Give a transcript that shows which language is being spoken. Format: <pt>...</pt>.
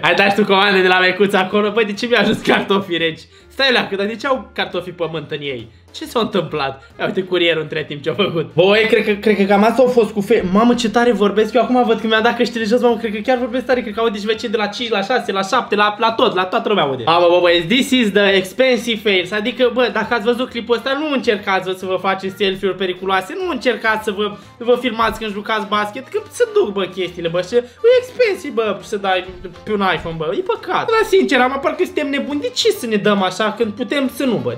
<ro>Ai dat și tu comandă de la mecuța acolo? Băi, de ce mi-a ajuns cartofii reci? Stai leacă, dar de ce au cartofii pământ în ei? Ce s-a întâmplat? Ia uite curierul între timp ce-a făcut. Băi, cred că cam asta a fost cu fei. Mamă, ce tare vorbesc. Eu acum văd că mi-a dat căștile jos, mamă, cred că chiar vorbesc tare. Cred că aud deci vecini de la 5, la 6, la 7, la tot, la toată lumea aude.</ro> <en>Mamă, bă, this is the expensive fails.</en> <ro>Adică, bă, dacă ați văzut clipul ăsta, nu încercați să vă faceți selfie-uri periculoase. Nu încercați să vă filmați când jucați basket. Că se duc, bă, chestiile, bă, și e expensive, bă, să dai pe un iPhone, bă. E păcat. Dar sincer, am aparcă suntem nebuni. De ce să ne dăm așa când putem să nu, bă?</ro>